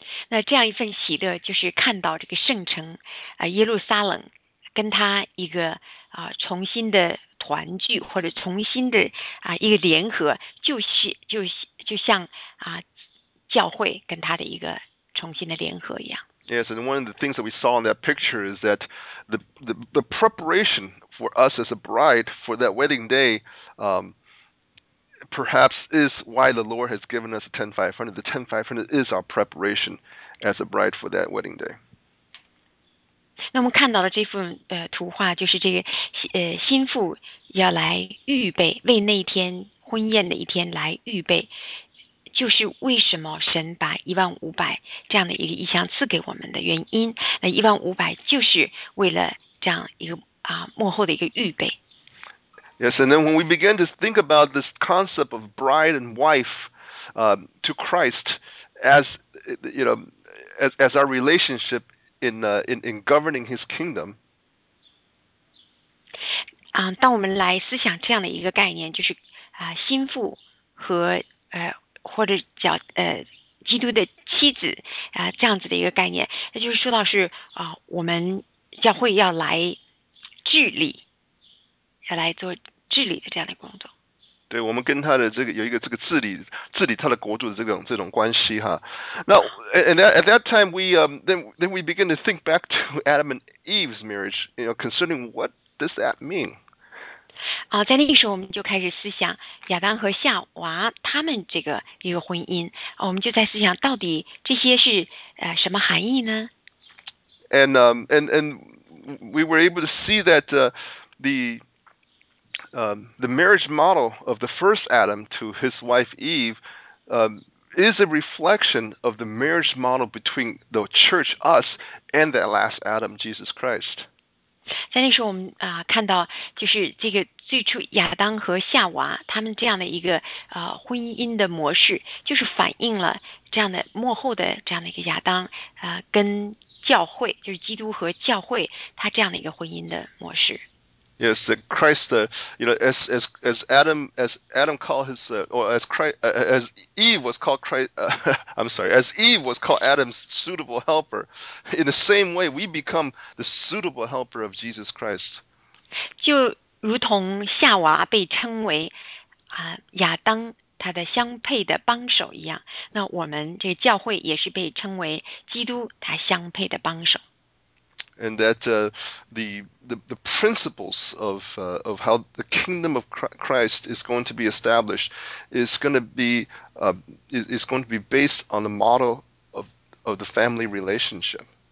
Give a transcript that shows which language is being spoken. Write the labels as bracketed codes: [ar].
[zh] 那这样一份喜乐，就是看到这个圣城，耶路撒冷，跟他一个重新的团聚，或者重新的一个联合，就像教会跟他的一个重新的联合一样。 [en] Yes, and one of the things that we saw in that picture is that the preparation for us as a bride for that wedding day, perhaps is why the Lord has given us the 10500. The 10500 is our preparation as a bride for that wedding day. [zh] 那我们看到的这幅图画就是这个新妇要来预备为那一天婚宴的一天来预备。就是为什么神把15000这样的一个意象赐给我们的原因，那15000就是为了这样一个幕后的一个预备。 [en] Yes, and then when we begin to think about this concept of bride and wife, to Christ as you know, as our relationship in governing His kingdom. [zh] 当我们来思想这样的一个概念，就是心腹和或者叫基督的妻子这样子的一个概念，那就是说到是我们教会要来治理，要来做治理的这样的工作。对，我们跟他的这个有一个这个治理他的国度的这种关系哈。 [en] 那 at that time we begin to think back to Adam and Eve's marriage, you know, concerning what does that mean? [zh] 在那个时候我们就开始思想亚当和夏娃他们这个一个婚姻，我们就在思想到底这些是什么含义呢？ [en] And we were able to see that the marriage model of the first Adam to his wife Eve is a reflection of the marriage model between the church, us, and that last Adam, Jesus Christ. [zh] 在那时候我们看到就是这个最初亚当和夏娃他们这样的一个婚姻的模式，就是反映了这样的幕后的这样的一个亚当跟教会，就是基督和教会他这样的一个婚姻的模式。 [en] Yes, that Christ, you know, as Adam called his, or as Christ, as Eve was called Christ, I'm sorry, as Eve was called Adam's suitable helper, in the same way we become the suitable helper of Jesus Christ. [zh] 就如同夏娃被称为亚当他的相配的帮手一样，那我们这个教会也是被称为基督他相配的帮手。 [en] And that the principles of how the kingdom of Christ is going to be established is going to be based on the model of the family relationship.